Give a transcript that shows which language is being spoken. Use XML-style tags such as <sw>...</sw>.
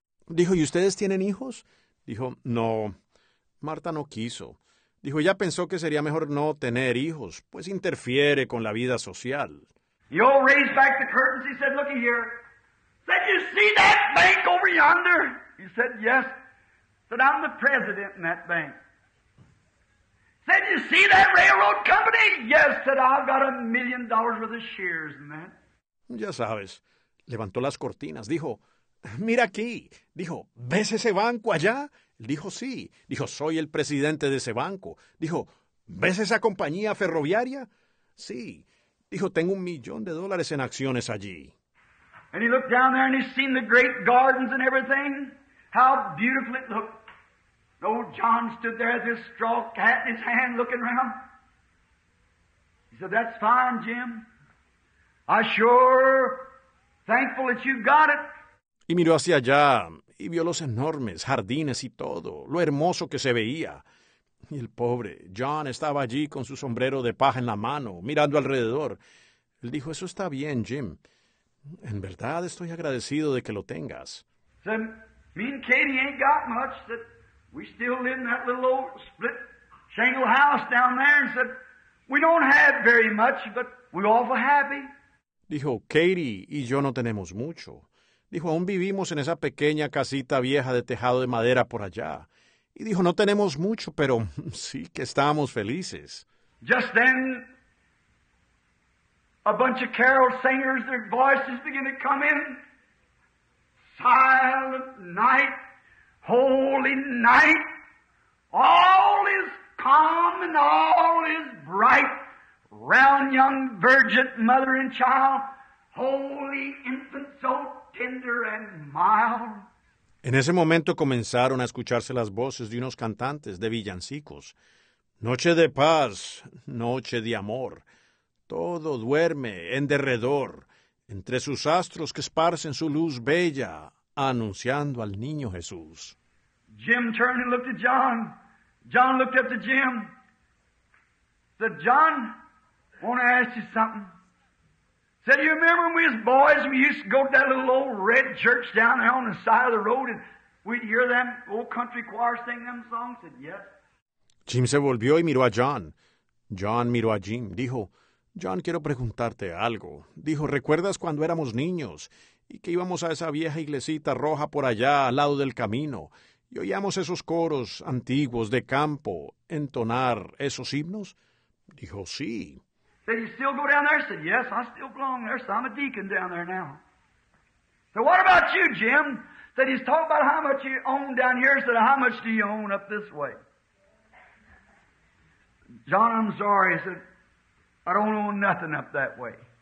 <es>Dijo, ¿y ustedes tienen hijos? Dijo, no, Martha no quiso. Dijo, ella pensó que sería mejor no tener hijos, pues interfiere con la vida social.</es> <en>He all raised back the curtains. He said, look here. Said, you see that bank over yonder? He said, yes. Said, I'm the president in that bank. Said, you see that railroad company? Yes, said, I've got $1,000,000 worth of shares in that.</en> <es>Ya sabes, levantó las cortinas. Dijo, mira aquí. Dijo, ¿ves ese banco allá? Dijo, sí. Dijo, soy el presidente de ese banco. Dijo, ¿ves esa compañía ferroviaria? Sí. Dijo, tengo $1,000,000 en acciones allí.</es> <en>And he looked down there and he seen the great gardens and everything. How beautiful it looked. Old John stood there with his straw hat in his hand looking around. He said, "That's fine, Jim. I'm sure thankful that you got it."</en> <es>Y miró hacia allá y vio los enormes jardines y todo, lo hermoso que se veía. Y el pobre John estaba allí con su sombrero de paja en la mano, mirando alrededor. Él dijo, "Eso está bien, Jim. En verdad estoy agradecido de que lo tengas."</es> <en>So, me and Katie ain't got much. That we still live in that little old split shingle house down there. And said, "We don't have very much, but we're awful happy."</en> <es>Dijo, "Katie y yo no tenemos mucho." Dijo, "Aún vivimos en esa pequeña casita vieja de tejado de madera por allá." Y dijo, "No tenemos mucho, pero sí que estamos felices."</es> <en>Just then, a bunch of carol singers, their voices begin to come in. "Silent night, holy night, all is calm and all is bright. Round young virgin mother and child, holy infant so tender and mild."</en> <es>En ese momento comenzaron a escucharse las voces de unos cantantes de villancicos. "Noche de paz, noche de amor. Todo duerme en derredor, entre sus astros que esparcen su luz bella, anunciando al niño Jesús."</es> <en>Jim turned and looked at John. John looked up to Jim. Said, "John, I want to ask you something. Said, you remember when we as boys, we used to go to that little old red church down there on the side of the road, and we'd hear them old country choir sing them songs?" Said, "Yes."</en> <es>Jim se volvió y miró a John. John miró a Jim. Dijo, "John, quiero preguntarte algo." Dijo, "¿Recuerdas cuando éramos niños y que íbamos a esa vieja iglesita roja por allá al lado del camino y oíamos esos coros antiguos de campo entonar esos himnos?" Dijo, "Sí."</es> <en>"Did you still go down there?" Said, "Yes, I still belong there. So I'm a deacon down there now." "So what about you, Jim?" Said, "He's talking about how much you own down here." Said, "How much do you own up this way?" "John, I'm sorry." Said, "I don't own nothing up that way."</en>